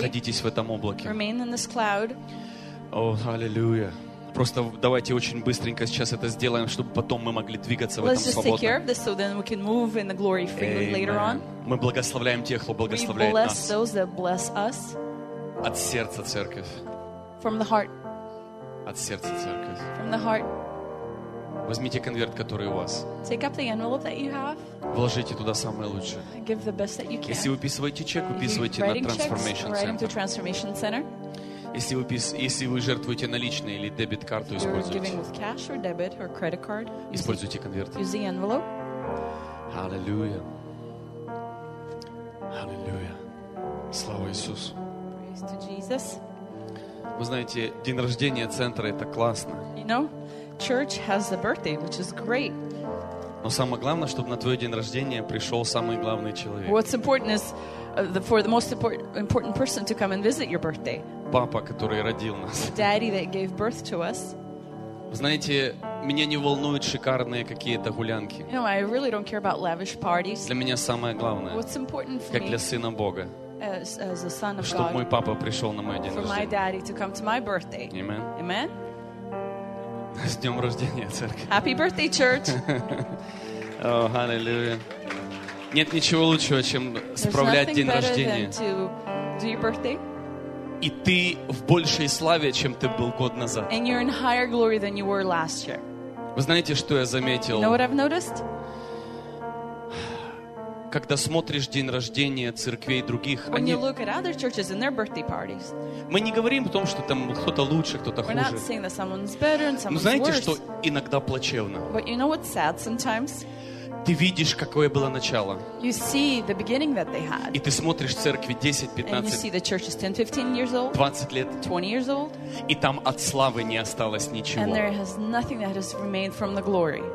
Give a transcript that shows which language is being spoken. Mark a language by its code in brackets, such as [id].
[ru] Находитесь в этом облаке. [en] Remain in this cloud. [ru] О, аллилуйя. Просто давайте очень быстренько сейчас это сделаем, чтобы потом мы могли двигаться в этом свободно. [en] Let's just take care of this so then we can move in the glory freely later on. [ru] Мы благословляем тех, кто благословляет нас. [en] We bless those that bless us. [ru] От сердца церковь. [en] From the heart. [ru] От сердца церковь. [en] From the heart. [ru] Возьмите конверт, который у вас. [en] Take up the envelope that you have. [ru] Вложите туда самое лучшее. [en] Give the best that you can. [ru] Если вы выписываете чек, выписывайте на Transformation [en] Center. Writing to Transformation Center. [ru] Если вы жертвуете наличные или дебет-карту, используйте. [en] You're giving with cash or debit or credit card. [ru] Используйте конверт. [en] Use the envelope. [ru] Аллилуйя. Аллилуйя. Слава Иисусу. [en] Praise to Jesus. [ru] Вы знаете, день рождения центра — это классно. [en] You know, church has a birthday, which is great. [ru] Но самое главное, чтобы на твой день рождения пришел самый главный человек. [en] What's important is for the most important person to come and visit your birthday. [ru] Папа, который родил нас. [en] Daddy that gave birth to us. [ru] Вы знаете, меня не волнуют шикарные какие-то гулянки. [en] You know, I really don't care about lavish parties. [ru] Для меня самое главное. [en] What's important for me? [ru] Как для сына Бога. [en] As the son of [ru] чтобы [en] God, [ru] мой папа пришел на мой день [en] for My daddy to come to my birthday. Amen. Amen. [ru] С днем рождения, церковь. [en] Happy birthday, church. [ru] О, oh, аллилуйя. Нет ничего лучшего, чем справлять день рождения. [en] To do your birthday. [ru] И ты в большей славе, чем ты был год назад. [en] And you're in higher glory than you were last year. [ru] Вы знаете, что я заметил? [en] You know what I've noticed? [ru] Когда смотришь день рождения церквей других, они... мы не говорим о том, что там кто-то лучше, кто-то хуже. Но знаете, [en] worse. [ru] Что иногда плачевно? [en] But you know what's sad sometimes? [ru] Ты видишь, какое было начало. [en] You see the beginning that they had. [ru] И ты смотришь церкви 10-15, 20 лет. [en] 20 years old. [ru] И там от славы не осталось ничего. [en] And there has nothing that has remained from the glory.